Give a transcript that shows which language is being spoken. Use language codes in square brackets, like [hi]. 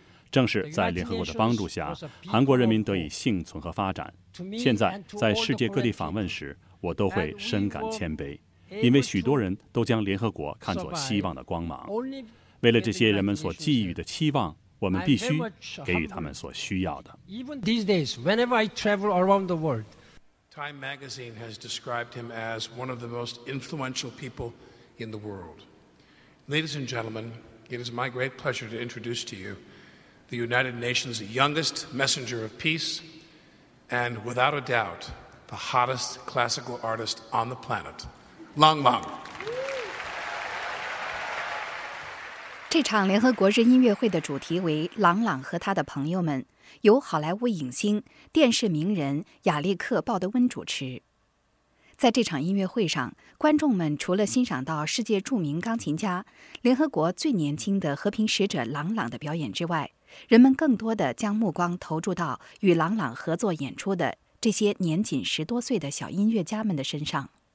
[zh] 正是在联合国的帮助下，韩国人民得以幸存和发展。现在在世界各地访问时，我都会深感谦卑，因为许多人都将联合国看作希望的光芒。为了这些人们所寄予的期望，我们必须给予他们所需要的。 [en] Even these days, whenever I travel around the world, Time magazine has described him as one of the most influential people in the world. Ladies and gentlemen, it is my great pleasure to introduce to you the United Nations' youngest messenger of peace, and without a doubt, the hottest classical artist on the planet. [zh] 郎朗。这场联合国日音乐会的主题为郎朗和他的朋友们，由好莱坞影星、电视名人亚历克·鲍德温主持。在这场音乐会上，观众们除了欣赏到世界著名钢琴家、联合国最年轻的和平使者郎朗的表演之外，人们更多的将目光投注到与郎朗合作演出的这些年仅10多岁的小音乐家们的身上。